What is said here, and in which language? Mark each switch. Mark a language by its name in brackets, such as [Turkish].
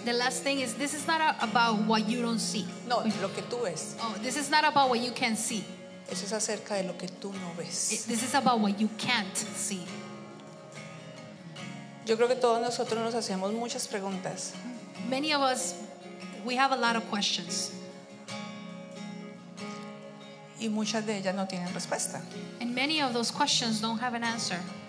[English] The last thing is, this is not about what you don't see. [Spanish] No, lo que tú ves. [English] Oh, this is not about what you can't see. [Spanish] Eso es acerca de lo que tú no ves. [English] This is about what you can't see. [Spanish] Yo creo que todos nosotros nos hacemos muchas preguntas. [English] Many of us, we have a lot of questions. [Spanish] Y muchas de ellas no tienen respuesta. [English] And many of those questions don't have an answer.